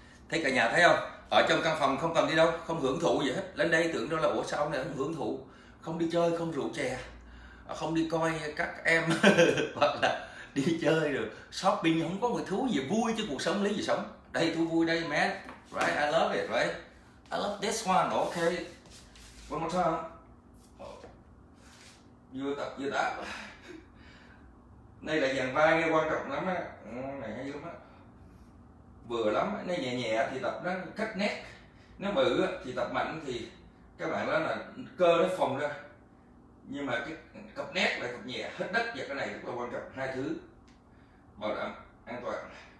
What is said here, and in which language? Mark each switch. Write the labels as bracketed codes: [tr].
[vi] Thấy cả nhà thấy không? Ở trong căn phòng không cần đi đâu, không hưởng thụ gì hết. Lên đây tưởng đâu là ủa sao ông này không hưởng thụ, không đi chơi, không rượu chè, không đi coi các em hoặc là đi chơi rồi shopping, không có một thứ gì vui chứ cuộc sống lấy gì sống. Đây thú vui đây man. [en] Right, I love it, right? I love this one, okay. One more time. [vi] vừa tập vừa đáp. Đây là dàn vai nghe quan trọng lắm á, này hay lắm á, vừa lắm á. Nó nhẹ nhẹ thì tập nó cách nét, nó bự thì tập mạnh thì các bạn đó là cơ nó phồng ra, nhưng mà cái cặp nét lại cặp nhẹ hết đất và cái này rất là quan trọng, hai thứ bảo đảm an toàn.